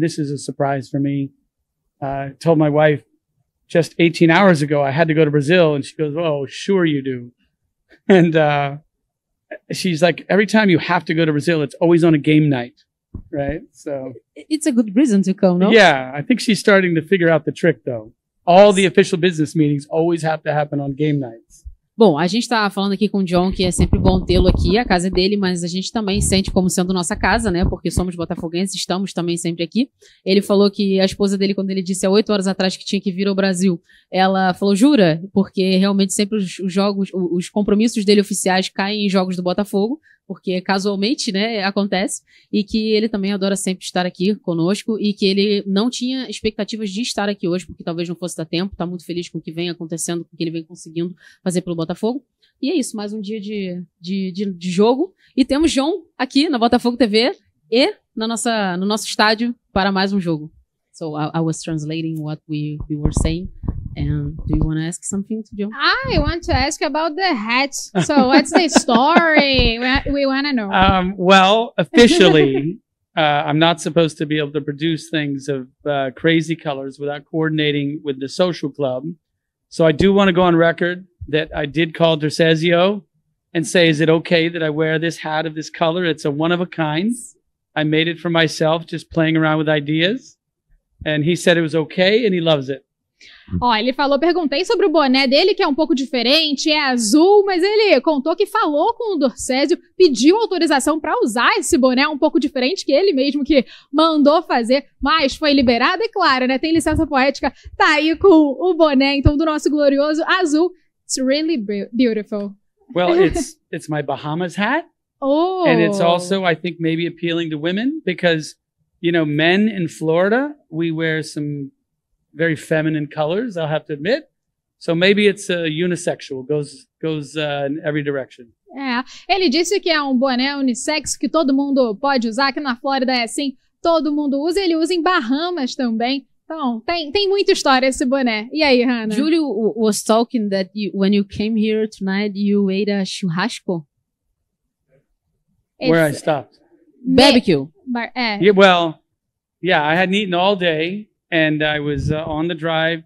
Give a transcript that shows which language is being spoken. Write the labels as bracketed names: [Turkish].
[English] This is a surprise for me. Told my wife just 18 hours ago I had to go to Brazil, and she goes, "Oh, sure you do." And she's like, "Every time you have to go to Brazil, it's always on a game night, right?" So it's a good reason to come, no? Yeah, I think she's starting to figure out the trick, though. All the official business meetings always have to happen on game nights. [Portuguese] Bom, a gente está falando aqui com o John, que é sempre bom tê-lo aqui, a casa dele, mas a gente também sente como sendo nossa casa, né? Porque somos botafoguenses, estamos também sempre aqui. Ele falou que a esposa dele, quando ele disse há 8 horas atrás que tinha que vir ao Brasil, ela falou, jura? Porque realmente sempre os jogos, os compromissos dele oficiais caem em jogos do Botafogo, porque casualmente, né, acontece, e que ele também adora sempre estar aqui conosco, e que ele não tinha expectativas de estar aqui hoje, porque talvez não fosse dar tempo, está muito feliz com o que vem acontecendo, com o que ele vem conseguindo fazer pelo Botafogo. E é isso, mais um dia de jogo, e temos João aqui na Botafogo TV e no nosso estádio para mais um jogo. [English] So I was translating what we were saying. And do you want to ask something to John? I want to ask about the hat. So what's the story? We want to know. Well, officially, I'm not supposed to be able to produce things of crazy colors without coordinating with the social club. So I do want to go on record that I did call Dersesio and say, is it okay that I wear this hat of this color? It's a one of a kind. I made it for myself, just playing around with ideas. And he said it was okay, and he loves it. [Portuguese] Ó, ele falou, perguntei sobre o boné dele, que é um pouco diferente, é azul, mas ele contou que falou com o Dorcésio, pediu autorização para usar esse boné um pouco diferente, que ele mesmo que mandou fazer, mas foi liberado, é claro, né? Tem licença poética, tá aí com o boné, então, do nosso glorioso azul. [English] It's really beautiful. Well, it's my Bahamas hat. Oh. And it's also, I think, maybe appealing to women, because, men in Florida, we wear some very feminine colors, I'll have to admit. So maybe it's unisexual, goes in every direction. [Portuguese] É, ele disse que é um boné unissex que todo mundo pode usar, que na Flórida é assim, todo mundo usa, ele usa em Bahamas também. Então, tem muita história esse boné. E aí, Hannah? [English] Julio was talking that when you came here tonight, you ate a churrasco. Where I stopped? Barbecue. Yeah, well, yeah, I hadn't eaten all day. And I was on the drive.